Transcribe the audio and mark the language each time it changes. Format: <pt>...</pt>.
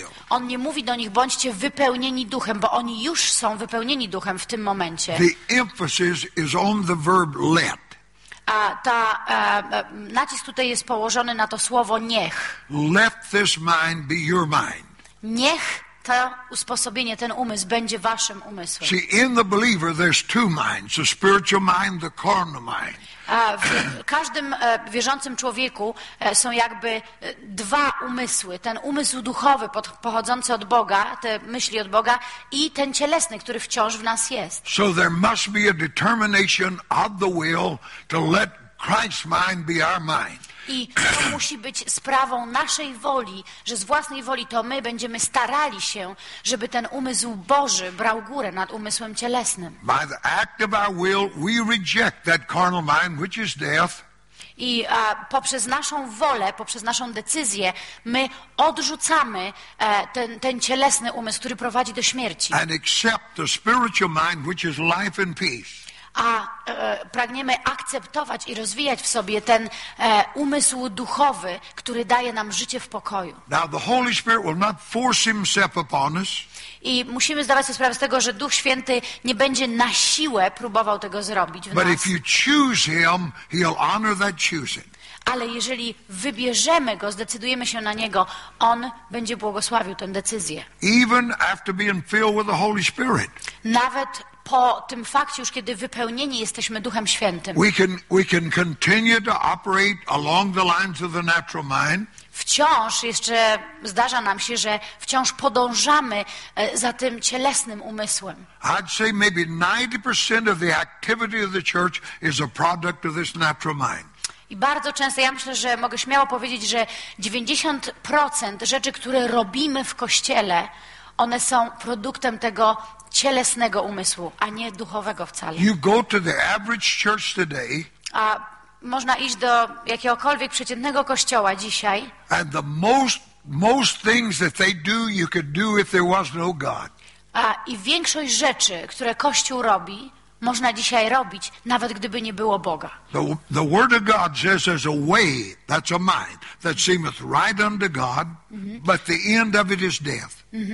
<pl>On nie mówi do nich, bądźcie wypełnieni duchem, bo oni już są wypełnieni duchem w tym momencie.</pl> <en>The emphasis is on the verb let.</en> <pl>A ta nacisk tutaj jest położony na to słowo niech.</pl> <en>Let this mind be your mind.</en> <pl>Niech to usposobienie, ten umysł będzie waszym umysłem.</pl> <en>See, in the believer there's two minds, the spiritual mind, the carnal mind.</en> <pl>W każdym wierzącym człowieku są jakby dwa umysły. Ten umysł duchowy pochodzący od Boga, te myśli od Boga i ten cielesny, który wciąż w nas jest.</pl> <en>So there must be a determination of the will to let Christ's mind be our mind.</en> <pl>I to musi być sprawą naszej woli, że z własnej woli to my będziemy starali się, żeby ten umysł Boży brał górę nad umysłem cielesnym.</pl> <en>By the act of our will, we reject that carnal mind, which is death.</en> <pl>I poprzez naszą wolę, poprzez naszą decyzję, my odrzucamy ten cielesny umysł, który prowadzi do śmierci.</pl> <en>And accept the spiritual mind, which is life and peace.</en> <pl>A pragniemy akceptować i rozwijać w sobie ten umysł duchowy, który daje nam życie w pokoju.</pl> <en>Now the Holy Spirit will not force himself upon us.</en> <pl>I musimy zdawać sobie sprawę z tego, że Duch Święty nie będzie na siłę próbował tego zrobić w</pl> <en>But</en> <pl>nas.</pl> <en>If you choose him, he'll honor that choosing.</en> <pl>Ale jeżeli wybierzemy go, zdecydujemy się na niego, on będzie błogosławił tę decyzję.</pl> <en>Even after being filled with the Holy Spirit.</en> <pl>Nawet po tym fakcie, już kiedy wypełnieni jesteśmy Duchem Świętym,</pl> <en>we can continue to operate along the lines of the natural mind.</en> <pl>Wciąż jeszcze zdarza nam się, że wciąż podążamy za tym cielesnym umysłem.</pl> <en>I'd say maybe 90% of the activity of the church is a product of this natural mind.</en> <pl>I bardzo często, ja myślę, że mogę śmiało powiedzieć, że 90% rzeczy, które robimy w Kościele, one są produktem tego cielesnego umysłu, a nie duchowego wcale.</pl> <en>You go to the average church today,</en> <pl>a można iść do jakiegokolwiek przeciętnego kościoła dzisiaj.</pl> <en>And the most things that they do, you could do if there was no God.</en> <pl>A i większość rzeczy, które kościół robi, można dzisiaj robić, nawet gdyby nie było Boga.</pl> <en>The word of God says there's a way, that's a mind, that seemeth right unto God, but the end of it is death.</en>